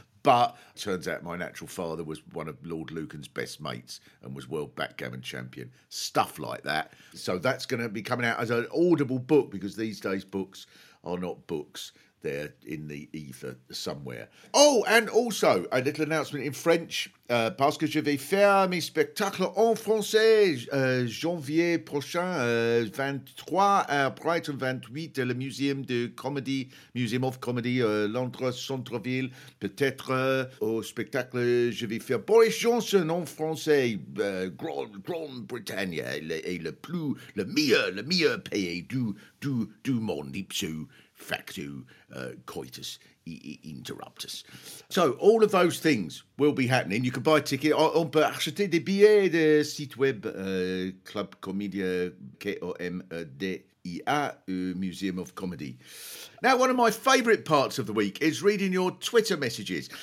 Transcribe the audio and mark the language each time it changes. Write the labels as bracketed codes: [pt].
[en] But it turns out my natural father was one of Lord Lucan's best mates and was world backgammon champion. Stuff like that. So that's going to be coming out as an audible book, because these days books are not books. They're in the ether somewhere. Oh, and also a little announcement in French. [fr] Parce que je vais faire mes spectacles en français janvier prochain, 23 à Brighton, 28 à le Museum de Comedy, Museum of Comedy, Londres, Centreville. Peut-être au spectacle, je vais faire Boris Johnson en français, Grande-Bretagne, le meilleur pays du monde, [la] ipso facto coitus. Interruptus. [en] So all of those things will be happening. You can buy a ticket. [fr] On peut acheter des billets de site web Club Comédia [en] K-O-M-D-I-A, Museum of Comedy. Now, one of my favourite parts of the week is reading your Twitter messages.